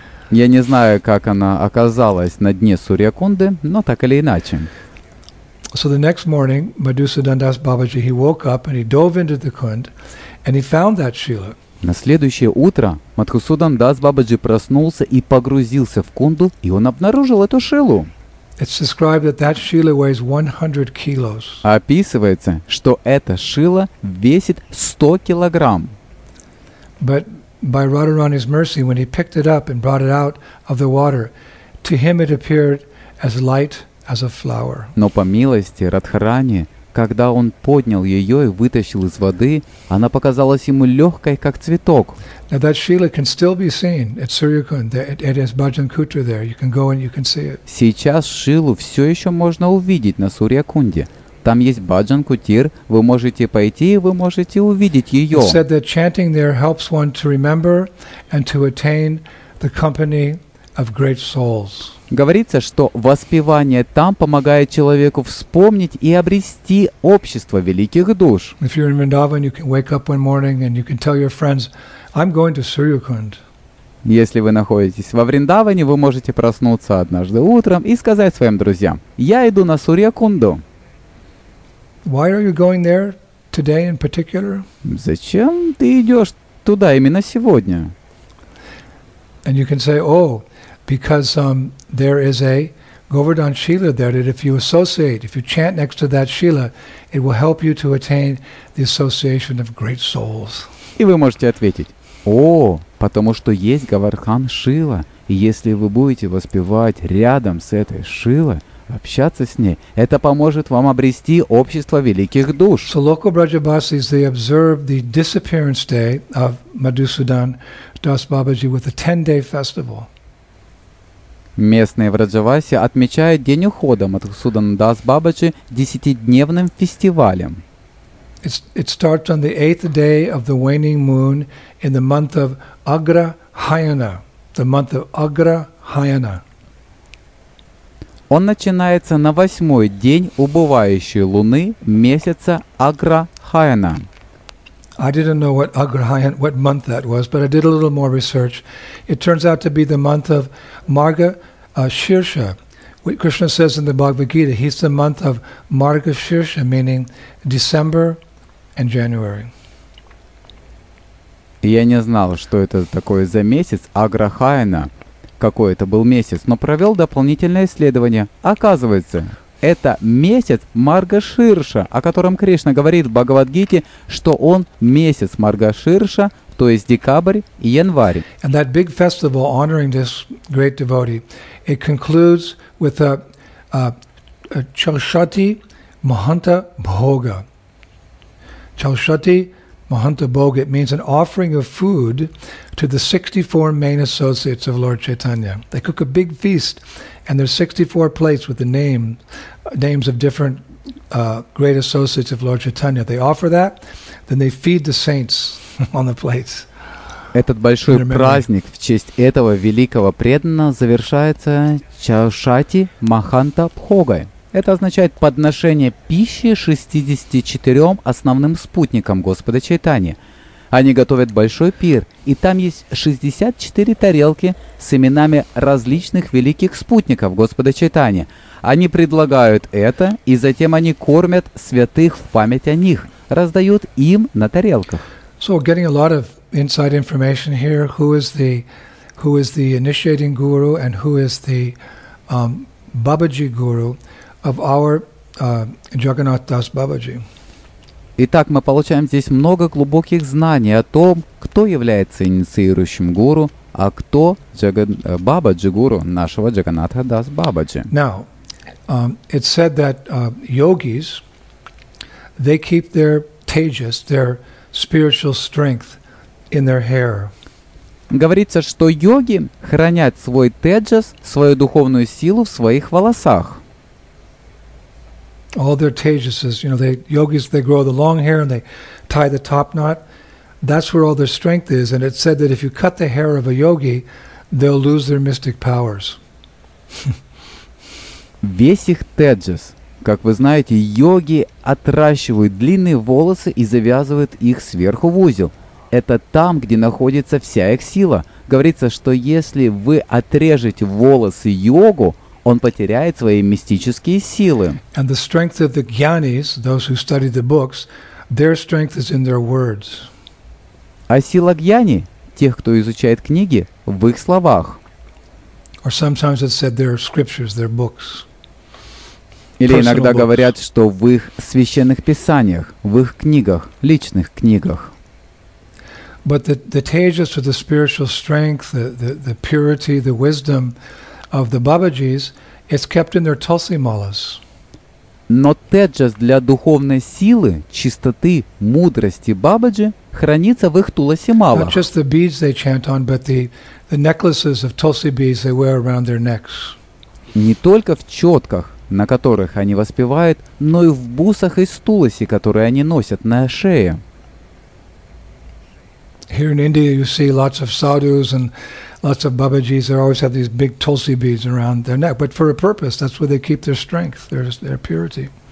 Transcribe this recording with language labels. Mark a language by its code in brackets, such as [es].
[ru] Я не знаю, как она оказалась на дне Сурьякунды, но так или иначе. [en] So the next morning, Madhusudandas Babaji, he woke up and he dove into the kund and he found that shila. [ru] На следующее утро Мадхусудандас Бабаджи проснулся и погрузился в кунду, и он обнаружил эту шилу. [en] It's described that that shila weighs 100 kilos. [ru] Описывается, что эта шила весит 100 килограмм. [en] But by Radharani's mercy, when he picked it up and brought it out of the water, to him it appeared as light as a flower. [ru] Но по милости Радхарани, когда он поднял ее и вытащил из воды, она показалась ему легкой, как цветок. [en] Now that shila can still be seen at Suryakund. It is Bhajankutra there. You can go and you can see it. [ru] Сейчас шилу все еще можно увидеть на Сурьякунде. Там есть Бхаджан-кутир, вы можете пойти и вы можете увидеть ее. [en] He said that chanting there helps one to remember and to attain the company of great souls. [ru] Говорится, что воспевание там помогает человеку вспомнить и обрести общество великих душ. [en] If you're in Vrindavan, you can wake up one morning and you can tell your friends, I'm going to Suryakund. [ru] Если вы находитесь во Вриндаване, вы можете проснуться однажды утром и сказать своим друзьям, я иду на Сурьякунду. [en] Why are you going there today in particular? [ru] Зачем ты идешь туда именно сегодня? [en] And you can say, oh, because there is a Govardhan Shila there that if you associate, if you chant next to that Shila, it will help you to attain the association of great souls. [ru] И вы можете ответить, о, потому что есть Говардхан Шила, и если вы будете воспевать рядом с этой Шилой, общаться с ней, это поможет вам обрести общество великих душ. [en] So local Brajabasis, they observe the disappearance day of Madhusudan Das Babaji with a 10-day festival. [ru] Местные Враджаваси отмечают день ухода Мадхусудандас Бабаджи 10-дневным фестивалем. [en] It starts on the 8th day of the waning moon in the month of Agrahayana. The month of Agrahayana. [ru] Он начинается на 8-й день убывающей луны месяца Аграхаяна. [en] I didn't know what Agrahayana, what month that was, but I did a little more research. It turns out to be the month of Marga Shirsha. What Krishna says in the Bhagavad Gita, he's the month of Marga Shirsha, meaning December and January. [ru] Я не знал, что это такое за месяц Аграхаяна. Какой это был месяц, но провел дополнительное исследование. Оказывается, это месяц Маргаширша, о котором Кришна говорит в Бхагавадгите, что он месяц Маргаширша, то есть декабрь и январь. [en] And that big festival honoring this great devotee, it concludes with a Chaushati Mahanta Bhoga. Chaushati Mahanta Bhoga, it means an offering of food to the 64 main associates of Lord Chaitanya. They cook a big feast and there's 64 plates with the names of different great associates of Lord Chaitanya. They offer that, then they feed the saints on the plates. [ru] Этот большой праздник в честь этого великого преданного завершается Чаушати Маханта Бхогой. Это означает подношение пищи 64 основным спутникам Господа Чайтани. Они готовят большой пир, и там есть 64 тарелки с именами различных великих спутников Господа Чайтани. Они предлагают это, и затем они кормят святых в память о них, раздают им на тарелках. [en] So we're getting a lot of inside information here. Who is the initiating guru and who is the Babaji guru of our Jagannath Das Babaji. [ru] Итак, мы получаем здесь много глубоких знаний о том, кто является инициирующим гуру, а кто Бабаджи гуру нашего Джаганнатха Дас Бабаджи. [en] Now, it's said that yogis, they keep their tejas, their spiritual strength in their hair. [ru] Говорится, что йоги хранят свой теджас, свою духовную силу в своих волосах. [en] All their tejases, you know, the yogis, they grow the long hair and they tie the top knot. that's where all their strength is. And it said that if you cut the hair of a yogi, they'll lose their mystic powers. [ru] Весь их теджес, как вы знаете, йоги отращивают длинные волосы и завязывают их сверху в узел. Это там, где находится вся их сила. Говорится, что если вы отрежете волосы йогу, он потеряет свои мистические силы. [en] And the strength of the gyanis, those who study the books, their strength is in their words. [ru] А сила гьяни, тех, кто изучает книги, в их словах. [en] Or sometimes it's said their scriptures, their books. [ru] Или иногда говорят, что в их священных писаниях, в их книгах, личных книгах. [en] But the tejas or the spiritual strength, the purity, the wisdom of the babajis, it's kept in their tulsi malas. [ru] Но теджас для духовной силы, чистоты, мудрости бабаджи хранится в их туласи малах. [en] Not just the beads they chant on, but the necklaces of tulsi beads they wear around their necks. [ru] Не только в четках, на которых они воспевают, но и в бусах из туласи, которые они носят на шее. [en] Here in India you see lots of sadhus and lots of babajis, they always have these big tulsi beads around their neck, but for a purpose, that's where they keep their strength, their purity.